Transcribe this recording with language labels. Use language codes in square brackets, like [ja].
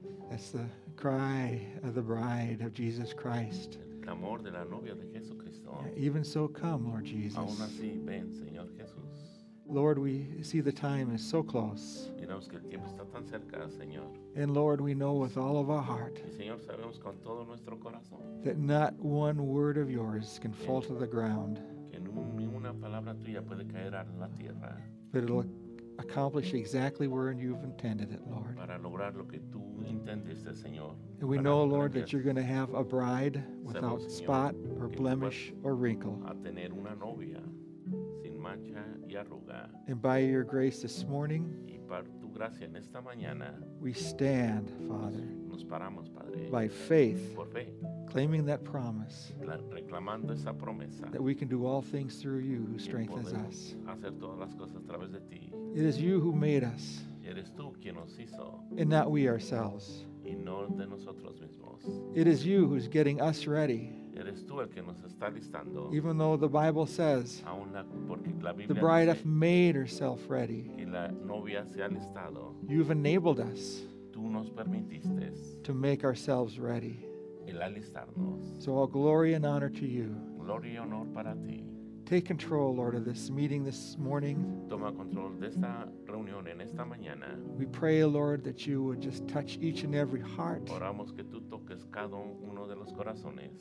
[en] that's the cry of the bride of Jesus Christ. [es] El clamor de la novia de Jesucristo. [en] Even so, come, Lord Jesus. [es] Aún así, ven, Señor Jesús. [en] Lord, we see the time is so close. [es] Miramos que el tiempo está tan cerca, Señor. [en] And Lord, we know with all of our heart, [es] y Señor, sabemos con todo nuestro corazón, [en] that not one word of yours can fall to the ground. [es] Que ni una palabra tuya puede caer a la tierra. [en] But it'll accomplish exactly where you've intended it, Lord. [es] Para lograr lo que tú intendiste, Señor. [en] And we know, Lord, that you're going to have a bride without spot or blemish or wrinkle. [es] A tener una novia sin mancha y arruga. [en] And by your grace this morning, [es] y por tu gracia en esta mañana, [en] we stand, Father, [es] nos paramos, Padre, [en] by faith, [es] por fe, [en] claiming that promise, [es] reclamando esa promesa, [en] that we can do all things through you who strengthens us. [es] Hacer todas las cosas a través de ti. [en] It is you who made us, [es] eres tú quien nos hizo, [en] and not we ourselves. [es] Y no de nosotros mismos. [en] It is you who's getting us ready. [es] Eres tú el que nos está listando. [en] Even though the Bible says [es] la [en] the bride hath made herself ready, [es] y la novia se ha listado, [en] you've enabled us [es] tú nos permitiste [en] to make ourselves ready. [es] El alistarnos. [en] So all glory and honor to you. [es] Gloria y honor para ti. [en] Take control, Lord, of this meeting this morning. [es] Toma control de esta reunión en esta mañana. [en] We pray, Lord, that you would just touch each and every heart. [es] Oramos que tú toques cada uno de los corazones.